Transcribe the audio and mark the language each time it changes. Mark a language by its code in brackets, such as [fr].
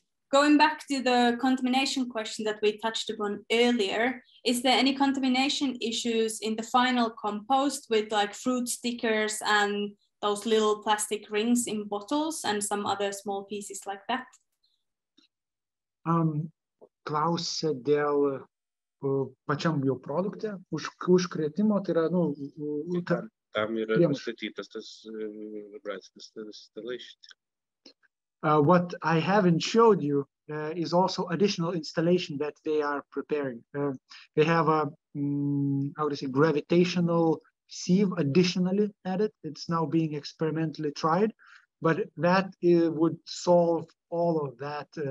[en] Going back to the contamination question that we touched upon earlier, is there any contamination issues in the final compost with like fruit stickers and those little plastic rings in bottles and some other small pieces like that? [lt] Klausia dėl pačiam jau produkte, užkrėtimo, tai yra, nu, tam yra nustatytas tas vibracinis stalai šitie. [en] What I haven't showed you is also additional installation that they are preparing. They have a, how to say, gravitational sieve additionally added. It's now being experimentally tried, but that would solve all of that.